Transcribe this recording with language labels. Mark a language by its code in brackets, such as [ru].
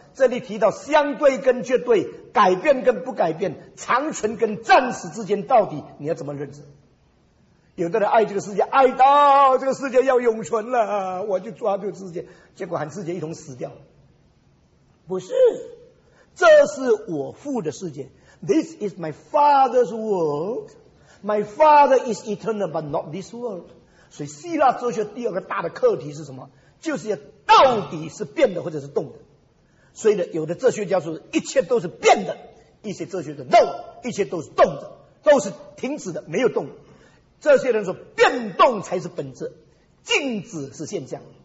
[zh] 这里提到相对跟绝对，改变跟不改变，长存跟暂时之间，到底你要怎么认识？有的人爱这个世界，爱到这个世界要永存了，我就抓住世界，结果喊世界一同死掉。不是，这是我父的世界， [en] This is my father's world. My father is eternal, but not this world. [zh] 所以希腊哲学第二个大的课题是什么？就是要到底是变的或者是动的。所以呢，有的哲学家说一切都是变的，一些哲学的 no， 一切都是动的，都是停止的，没有动的。这些人说变动才是本质，静止是现象。